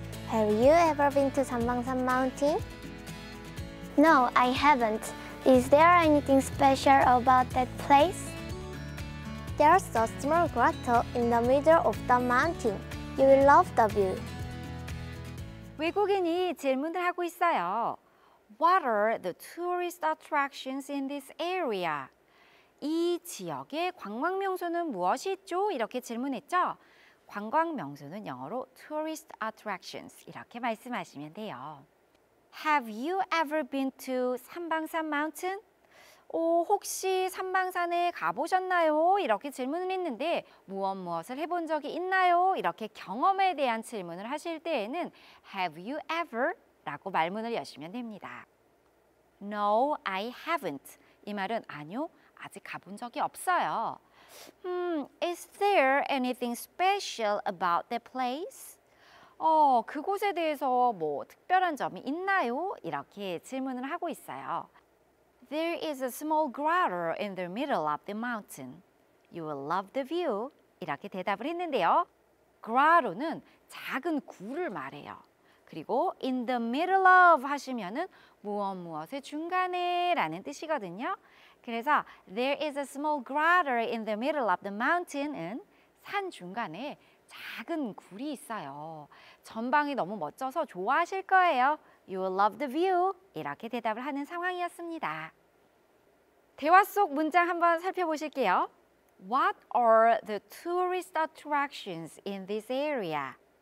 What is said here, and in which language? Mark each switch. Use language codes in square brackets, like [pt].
[en] Have you ever been to Sambangsan Mountain? No, I haven't. Is there anything special about that place? There's a small grotto in the middle of the mountain. You will love the view. [ko] 외국인이 질문을 하고 있어요. [en] What are the tourist attractions in this area? [ko] 이 지역의 관광 명소는 무엇이죠? 이렇게 질문했죠. 관광 명소는 영어로 [en] tourist attractions [ko] 이렇게 말씀하시면 돼요. [en] Have you ever been to 삼방산 Mountain? [ko] 혹시 삼방산에 가보셨나요? 이렇게 질문을 했는데 무엇을 해본 적이 있나요? 이렇게 경험에 대한 질문을 하실 때에는 [en] Have you ever? [ko] 라고 말문을 여시면 됩니다. [en] No, I haven't. [ko] 이 말은 아니요, 아직 가본 적이 없어요. [en] Is there anything special about the place? [ko] 그곳에 대해서 뭐 특별한 점이 있나요? 이렇게 질문을 하고 있어요. [en] There is a small grotto in the middle of the mountain. You will love the view. [ko] 이렇게 대답을 했는데요. Grotto는 작은 굴을 말해요. 그리고 [en] in the middle of [ko] 하시면은 무엇무엇의 중간에 라는 뜻이거든요. 그래서 [en] there is a small grotto in the middle of the mountain [ko] 은 산 중간에 작은 굴이 있어요. 전방이 너무 멋져서 좋아하실 거예요. [en] You will love the view. [ko] 이렇게 대답을 하는 상황이었습니다. 대화 속 문장 한번 살펴보실게요. [en] What are the tourist attractions in this area?